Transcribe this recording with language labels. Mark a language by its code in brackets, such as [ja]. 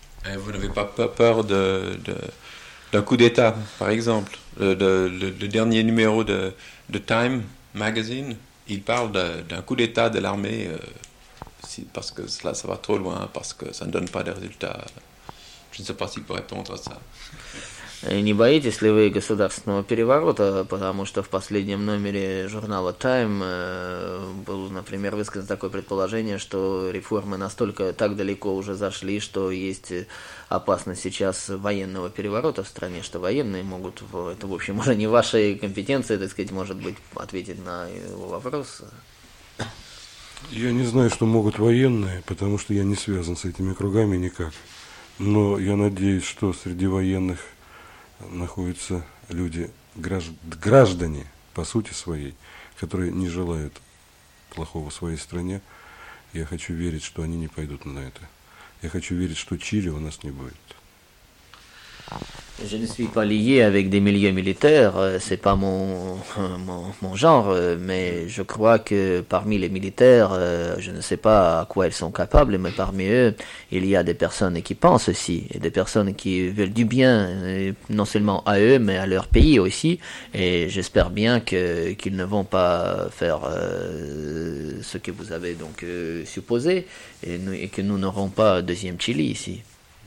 [fr] Et vous n'avez pas peur de d'un coup d'État, par exemple. Le dernier numéro de Time Magazine, il parle d'un coup d'État de l'armée, si, parce que cela, ça va trop loin, parce que ça ne donne pas de résultats. Je ne sais pas s'il peut répondre à ça. [ru] Не боитесь ли вы государственного переворота, потому что в последнем номере журнала Time было, например, высказано такое предположение, что реформы настолько так далеко уже зашли, что есть опасность сейчас военного переворота в стране, что военные могут, это в общем уже не ваши компетенции, так сказать, может быть, ответить на его вопрос. Я не знаю, что могут военные, потому что я не связан с этими кругами никак, но я надеюсь, что среди военных находятся люди, граждане, по сути своей, которые не желают плохого своей стране. Я хочу верить, что они не пойдут на это. Я хочу верить, что Чили у нас не будет. [fr] Je ne suis pas lié avec des milieux militaires, c'est pas mon genre, mais je crois que parmi les militaires, je ne sais pas à quoi ils sont capables, mais parmi eux, il y a des personnes qui pensent aussi, et des personnes qui veulent du bien, non seulement à eux, mais à leur pays aussi, et j'espère bien qu'ils ne vont pas faire ce que vous avez donc supposé, et que nous n'aurons pas deuxième Chili ici.